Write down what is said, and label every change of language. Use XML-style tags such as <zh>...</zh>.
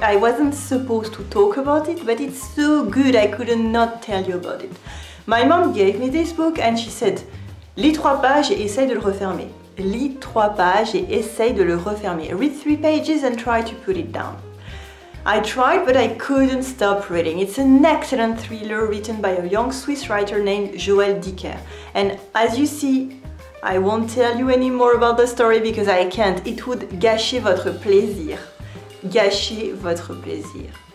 <en>I wasn't supposed to talk about it, but it's so good I couldn't not tell you about it. My mom gave me this book and she said,</en> <fr>lis trois pages et essaye de le refermer. Lis trois pages et essaye de le refermer.</fr> <en>Read three pages and try to put it down. I tried, but I couldn't stop reading. It's an excellent thriller written by a young Swiss writer named Joël Dicker. And as you see, I won't tell you any more about the story because I can't. It would</en> <fr>gâcher votre plaisir. Gâcher votre plaisir.</fr>